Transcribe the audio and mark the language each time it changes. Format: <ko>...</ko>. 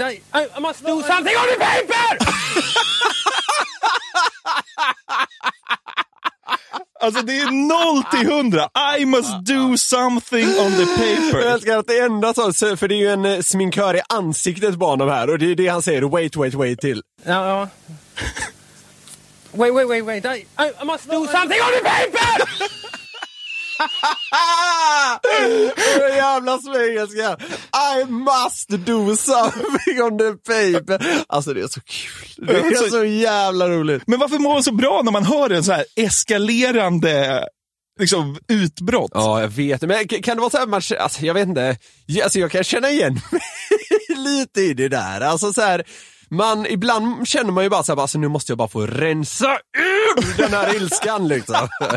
<en>I must do something on the paper!</en> <sv>Alltså, det är 0-100.</sv> <en>I must do something on the paper.</en> <sv>Jag älskar att det enda så, för det är ju en sminkör i ansiktet på honom här. Och det är det han säger,</sv> <en>wait till.</en> <sv>Ja, ja.</sv> <en>Wait. I must do something on the paper!</en> <sv>Hur jävla svengelska.</sv> <en>I must do something on the paper.</en> <sv>Alltså det är så kul. Det är så jävla roligt. Men varför mår man så bra när man hör en så här eskalerande liksom utbrott? Ja, jag vet. Men kan det vara så här, jag vet inte. Alltså jag kan känna igen mig lite i det där. Alltså så här, man ibland känner man ju bara så här, alltså nu måste jag bara få rensa ur den här ilskan liksom.</sv>